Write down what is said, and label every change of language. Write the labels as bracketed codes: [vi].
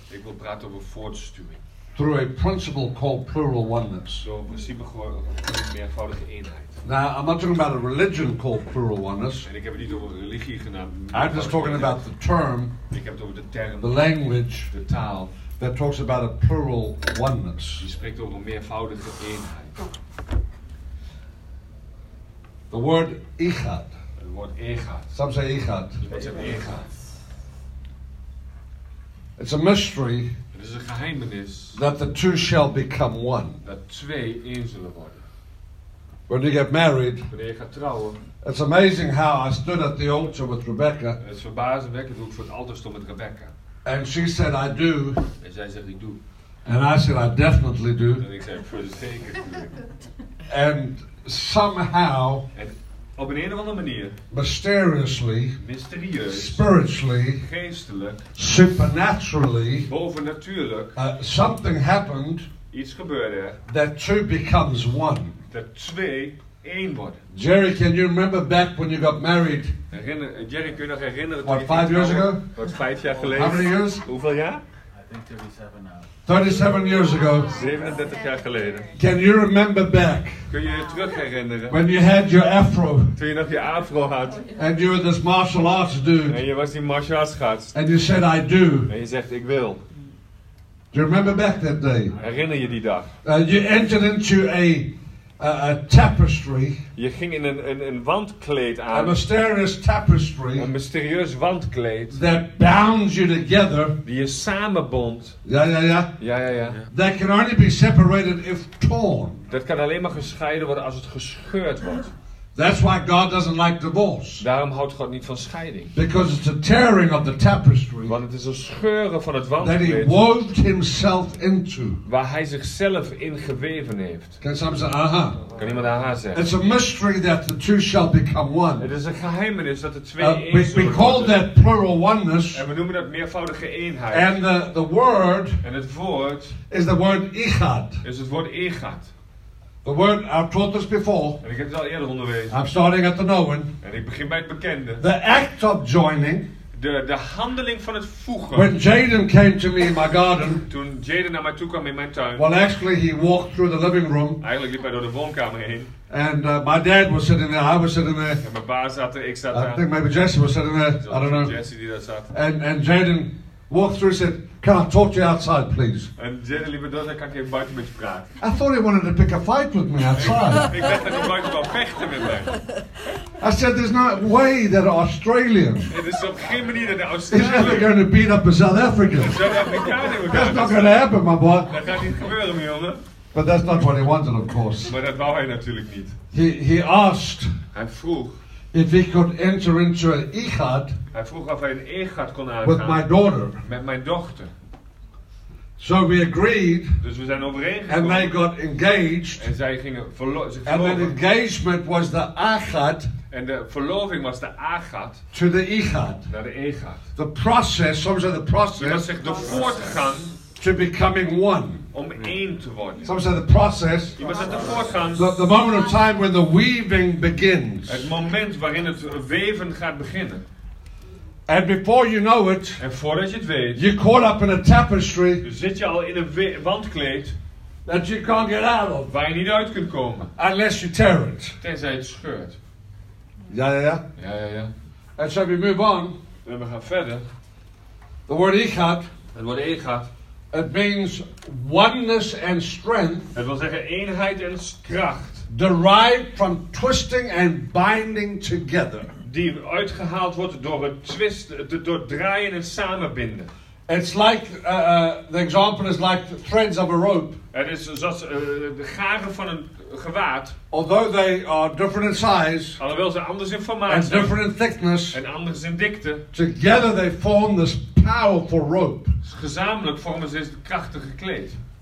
[nl] Ik wil praten over voortstuwing. [en] Through a principle called plural oneness. [nl] Door een principe gewoon een meervoudige eenheid. [en] Now, I'm not talking about a religion called plural oneness. [nl] En ik heb het niet over religie genaamd. [en] I'm just talking about the term. [nl] Ik heb het over de term. [en] The language. [nl] De taal. [en] That talks about a plural oneness. [nl] Die spreekt over een meervoudige eenheid. [en] The word ichad. [nl] Het woord ichad. [en] Some say ichad. Some say ichad. It's a mystery. [nl] Het is een geheimenis. [en] That the two shall become one. [nl] Dat twee één zullen worden. [en] When you get married, [nl] wanneer je gaat trouwen, [en] it's amazing how I stood at the altar with Rebecca. [nl] Het is verbazingwekkend hoe ik voor het altaar stond met Rebecca. [en] And she said, I do. [nl] En zij zegt, ik doe. [en] And I said, I definitely do. [nl] En ik zei, voor zeker. [en] And somehow, [nl] en op een of andere manier, [en] mysteriously, [nl] mysterieus, [en] spiritually, [nl] geestelijk, [en] supernaturally, [nl] bovennatuurlijk, [en] something happened. [nl] Iets gebeurde. [en] That two becomes one. [nl] Dat twee één worden. [en] Jerry, can you remember back when you got married? [nl] Jerry, kun je nog herinneren? [en] What, 5 years ago? [nl] Wat, 5 jaar geleden? [en] How many years? [nl] Hoeveel jaar? [en] I think 37 now. 37 years ago. [nl] 37 jaar geleden. [en] Can you remember back? [nl] Kun je terug herinneren? [en] When you had your afro. [nl] Toen je nog je afro had. [en] And you were this martial arts dude. [nl] En je was die martial arts gast. [en] And you said, I do. [nl] En je zegt, ik wil. [en] Do you remember back that day? [nl] Herinner je die dag? [en] You entered into a tapestry. [nl] Je ging in een wandkleed aan. [en] A mysterious tapestry. [nl] Een mysterieus wandkleed. [en] That bounds you together. [nl] Die je samenbond. Ja, ja, ja. Ja, ja, ja. [en] That can only be separated if torn. [nl] Dat kan alleen maar gescheiden worden als het gescheurd wordt. [en] That's why God doesn't like divorce. [nl] Daarom houdt God niet van scheiding. [en] Because it's a tearing of the tapestry. [nl] Want het is een scheuren van het wandkleed. [en] That he wove himself into. [nl] Waar hij zichzelf in geweven heeft. [en] Can someone say aha? [nl] Kan iemand aha zeggen? [en] It's a mystery that the two shall become one. [nl] Het is een geheimenis dat de twee één zullen worden. [en] We call that plural oneness. [nl] En we noemen dat meervoudige eenheid. [en] And the word. [nl] En het woord. [en] Is the word ichad. [nl] Is het woord ichad. [en] The word I've taught this before. [nl] En ik heb het al eerder onderwezen. [en] I'm starting at the known. [nl] En ik begin bij het bekende. [en] The act of joining. [nl] De handeling van het voegen. [en] When Jaden came to me in my garden. [nl] Toen Jaden naar mij toe kwam in mijn tuin. [en] Well, actually he walked through the living room. [nl] Eigenlijk liep hij door de woonkamer heen. [en] And my dad was sitting there. I was sitting there. [nl] En mijn baas zat er. Ik zat daar. [en] I think maybe Jesse was sitting there. I don't know. [nl] Jesse die daar zat. [en] And Jaden walked through and said, can I talk to you outside, please? [nl] And Jerry, lieve dochter, kan ik even buiten met je praten? [en] I thought he wanted to pick a fight with me outside. [nl] Ik dacht dat hij buiten wou vechten met mij. [en] I said, there's no way that an Australian [nl] is op geen manier dat Australian [en] is ever going to beat up a South African. That's not going to happen, my boy. [nl] Dat gaat niet gebeuren, mijn jongen. [en] But that's not what he wanted, of course. [nl] Maar dat wou hij natuurlijk niet. [en] He asked. [nl] Hij vroeg. [en] If he could enter into an ichad. [nl] Hij vroeg of hij een ichad kon aangaan. [en] With my daughter. [nl] Met mijn dochter. [en] So we agreed. [nl] Dus we zijn overeengekomen. [en] And they got engaged. [nl] En zij gingen verloven. [en] And the engagement was the achad. [nl] En de verloving was de achad. [en] To the ichad. [nl] Naar de ichad. [en] The process, [nl] soms zijn de [en] process. [nl] Dat zegt de voortgang. [en] To becoming one. [nl] Om één te worden. [en] Some say the process. [nl] Je moet zeggen de voortgang. [en] The moment of time when the weaving begins. [nl] Het moment waarin het weven gaat beginnen. [en] And before you know it. [nl] En voordat je het weet. [en] You're caught up in a tapestry. [nl] Zit je al in een wandkleed. [en] That you can't get out of. [nl] Waar je niet uit kunt komen. [en] Unless you tear it. [nl] Tenzij het scheurt. Ja, ja, ja. Ja, ja, ja. [en] And so we move on. [nl] En we gaan verder. [en] The word ichad. [nl] Het woord ichad. [en] It means oneness and strength. [nl] Het wil zeggen eenheid en kracht. [en] Derived from twisting and binding together. [nl] Die uitgehaald wordt door het twisten, door draaien en samenbinden. [en] It's like the example is like the threads of a rope. [nl] Het is zoals de garen van een gewaad. [en] Although they are different in size. [nl] Alhoewel ze anders in formaat [en] zijn. And different in thickness. [nl] En anders in dikte. [en] Together they form this powerful rope. [nl] Gezamenlijk vormen ze deze krachtige kleed.